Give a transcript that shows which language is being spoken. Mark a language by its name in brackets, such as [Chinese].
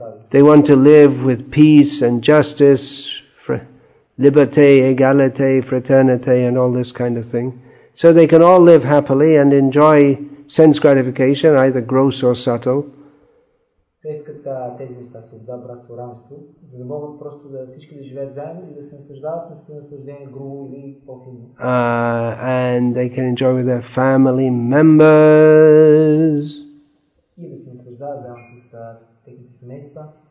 [English] They want to live with peace and justice, [French] liberté, égalité, fraternité, [English] and all this kind of thing. So they can all live happily and enjoy sense gratification, either gross or subtle. [Bulgarian] Те искат тези неща, свобода, братство, равенство, за да могат просто да всички да живеят заедно и да се наслаждават на своето наслаждение грубо или по-фино. [English] And they can enjoy with their family members. [Bulgarian] И да се наслаждават заедно с техните семейства.